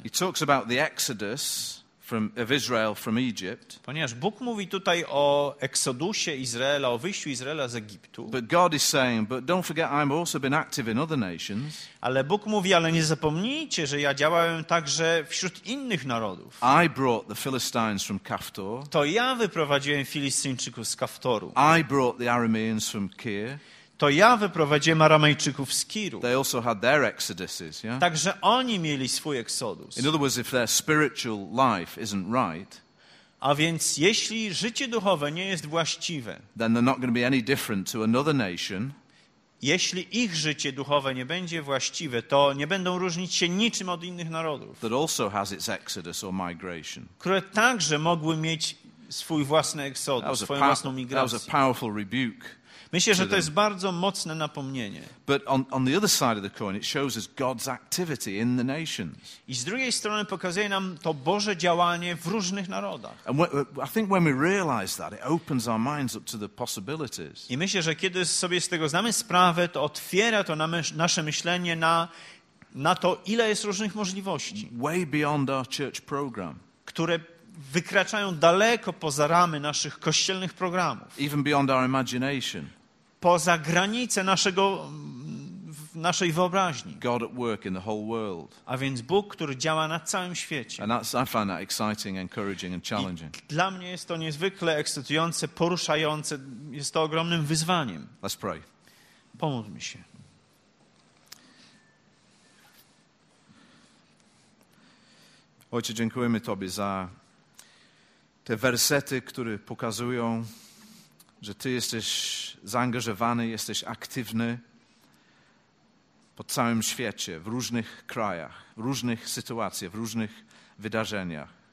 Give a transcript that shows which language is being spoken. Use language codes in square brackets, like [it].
[en] He talks about the exodus of Israel from Egypt. [pl] Ponieważ Bóg mówi tutaj o eksodusie Izraela, o wyjściu Izraela z Egiptu. [en] But God is saying, but don't forget I've also been active in other nations. [pl] Ale Bóg mówi, ale nie zapomnijcie, że ja działałem także wśród innych narodów. [en] I brought the Philistines from Kaftor. [pl] To ja wyprowadziłem Filistyńczyków z Kaftoru. [en] I brought the Arameans from Kir. [pl] To ja wyprowadziłem Aramejczyków z Kiru. [en] They also had their exoduses, yeah? [pl] Także oni mieli swój eksodus. [en] In other words, if their spiritual life isn't right, [pl] a więc jeśli życie duchowe nie jest właściwe, [en] then they're not going to be any different to another nation. [pl] Jeśli ich życie duchowe nie będzie właściwe, to nie będą różnić się niczym od innych narodów. [en] That also has its exodus or migration. [pl] Które także mogły mieć swój własny eksodus, swoją własną migrację. [en] That was a powerful rebuke. [pl] Myślę, że to jest bardzo mocne napomnienie. [en] But on the other side of the coin, it shows us God's activity in the nations. [pl] I z drugiej strony pokazuje nam to Boże działanie w różnych narodach. [en] And I think when we realize that, it opens our minds up to the possibilities. [pl] I myślę, że kiedy sobie z tego znamy sprawę, to otwiera to nasze myślenie na to, ile jest różnych możliwości. [en] Way beyond our church program. [pl] Które wykraczają daleko poza ramy naszych kościelnych programów. [en] Even beyond our imagination. [pl] Poza granice naszego naszej wyobraźni. [en] God at work in the whole world. [pl] A więc Bóg, który działa na całym świecie. [en] And that's, I find that exciting, encouraging and challenging. [pl] Dla mnie jest to niezwykle ekscytujące, poruszające, jest to ogromnym wyzwaniem. [en] Let's pray. [pl] Pomóż mi się. Ojcze, dziękujemy Tobie za te wersety, które pokazują, że Ty jesteś zaangażowany, jesteś aktywny po całym świecie, w różnych krajach, w różnych sytuacjach, w różnych wydarzeniach.